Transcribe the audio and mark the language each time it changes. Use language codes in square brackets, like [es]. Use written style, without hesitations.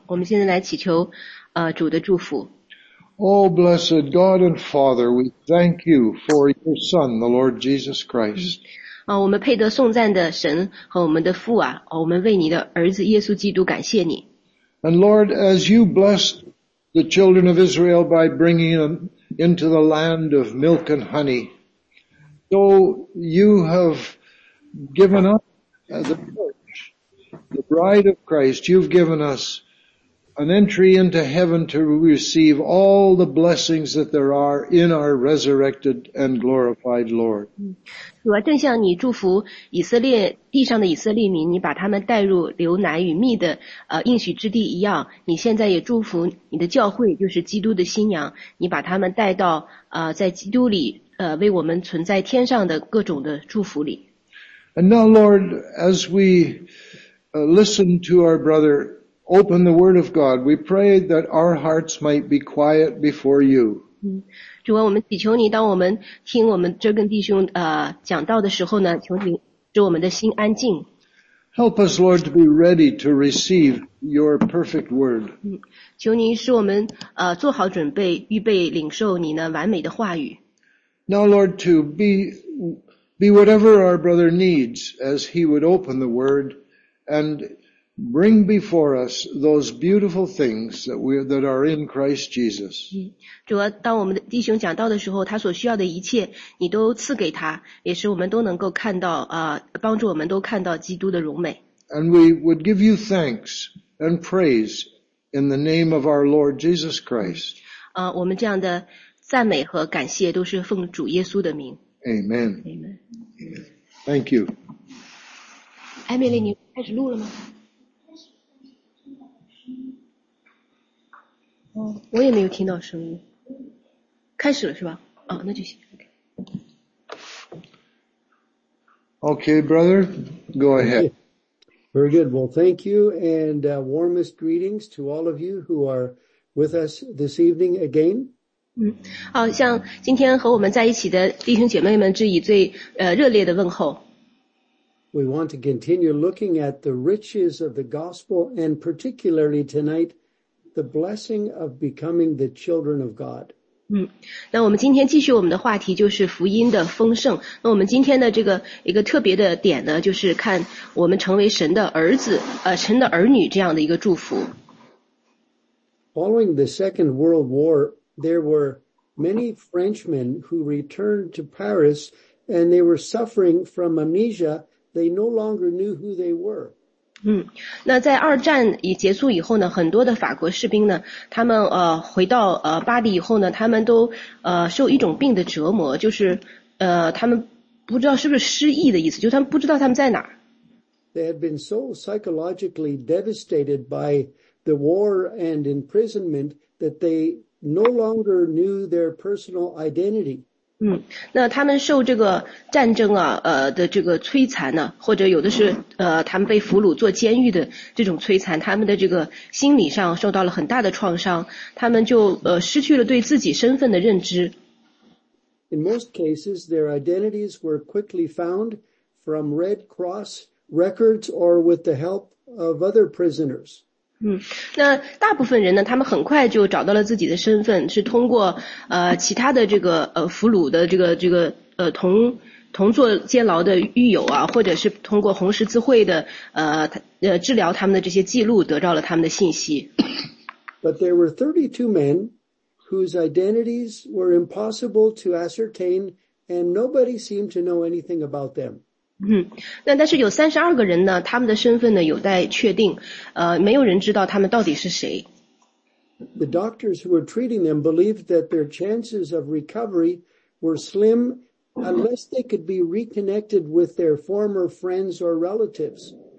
[zh] 我们现在来祈求主的祝福。 [en] Oh, blessed God and Father, we thank you for your Son, the Lord Jesus Christ. [zh] 我们配得颂赞的神和我们的父啊，我们为你的儿子耶稣基督感谢你。 [en] And Lord, as you blessed the children of Israel by bringing them into the land of milk and honey, so you have given us the church, the bride of Christ, you've given us an entry into heaven to receive all the blessings that there are in our resurrected and glorified Lord. [zh] 主啊，正像你祝福以色列地上的以色列民，你把他们带入流奶与蜜的应许之地一样，你现在也祝福你的教会，就是基督的新娘，你把他们带到在基督里为我们存在天上的各种的祝福里。 [en] And now, Lord, as we listen to our brother. Open the word of God. We pray that our hearts might be quiet before you. [zh] 主啊，我们祈求你，当我们听我们这根弟兄讲道的时候呢，求你使我们的心安静。 [en] Help us, Lord, to be ready to receive your perfect word. [zh] 求你使我们做好准备，预备领受你那完美的话语。 [en] Now, Lord, to be whatever our brother needs as he would open the word and. Bring before us those beautiful things that are in Christ Jesus. [zh] 主啊，当我们的弟兄讲到的时候，他所需要的一切，你都赐给他，也使我们都能够看到，帮助我们都看到基督的荣美。 [en] And we would give you thanks and praise in the name of our Lord Jesus Christ. [zh] 我们这样的赞美和感谢都是奉主耶稣的名。 [en] Amen. Amen. Thank you. [zh] Emily, 你开始录了吗？哦，我也没有听到声音，开始了是吧？哦，那就行。 [en] Okay, brother, go ahead. Very good. Well, thank you, and warmest greetings to all of you who are with us this evening again. [zh] 好，向今天和我们在一起的弟兄姐妹们致以最热烈的问候。 [en] We want to continue looking at the riches of the gospel, and particularly tonight. The blessing of becoming the children of God. [zh] 那我们今天继续我们的话题就是福音的丰盛。那我们今天的这个一个特别的点呢，就是看我们成为神的儿子，神的儿女这样的一个祝福。 [en] Following the Second World War, there were many Frenchmen who returned to Paris, and they were suffering from amnesia. They no longer knew who they were. [zh] 那在二战已结束以后呢，很多的法国士兵呢，他们回到巴黎以后呢，他们都受一种病的折磨，就是他们不知道是不是失忆的意思，就是他们不知道他们在哪儿。 [en] They had been so psychologically devastated by the war and imprisonment that they no longer knew their personal identity. [zh] 那他们受这个战争的这个摧残呢，或者有的是他们被俘虏做监狱的这种摧残，他们的这个心理上受到了很大的创伤，他们就失去了对自己身份的认知。 [en] In most cases, their identities were quickly found from Red Cross records or with the help of other prisoners. [zh] 那大部分人呢，他们很快就找到了自己的身份，是通过其他的这个俘虏的这个同坐监牢的狱友啊，或者是通过红十字会的治疗他们的这些记录，得到了他们的信息。 [en] But there were 32 men whose identities were impossible to ascertain, and nobody seemed to know anything about them. [zh] 但是有32个人呢，他们的身份呢有待确定，没有人知道他们到底是谁。 [en] The doctors who were treating them believed that their chances of recovery were slim unless they could be reconnected with their former friends or relatives.